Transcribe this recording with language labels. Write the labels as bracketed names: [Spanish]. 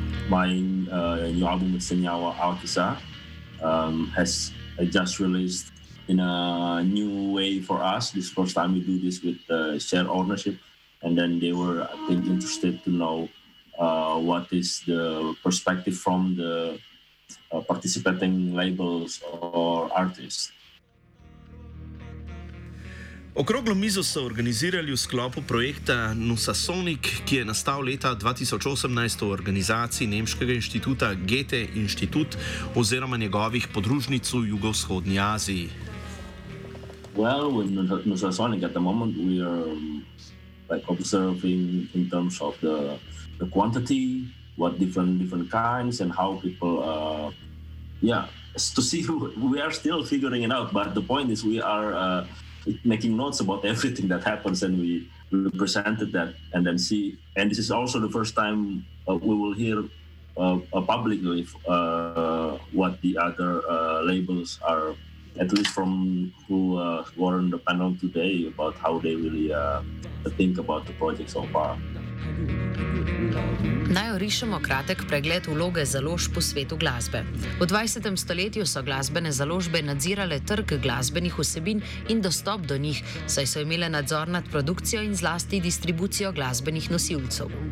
[English] My new album Senyawa Alkisa has just released in a new way for us. This first time we do this with share ownership, and then they were, I think, interested to know what is the perspective from the participating labels or artists. [Slovenian] Okroglo mizo so organizirali v sklopu projekta Nusasonic, ki je nastal leta 2018 v organizaciji nemškega inštituta Goethe Institut oziroma njegovih podružnic v jugovzhodni Aziji. [English] Well, with Nusasonic at the moment we are like observing in terms of the quantity, what different kinds and how people to see who we are still figuring it out, but the point is we are making notes about everything that happens, and we presented that, and then see, and this is also the first time we will hear publicly what the other labels are, at least from who were on the panel today, about how they really think about the project so far. [Slovenian] Naj orišemo kratek pregled vloge založb po svetu glasbe. V 20. stoletju so glasbene založbe nadzirale trg glasbenih vsebin in dostop do njih, saj so imele nadzor nad produkcijo in zlasti distribucijo glasbenih nosilcev.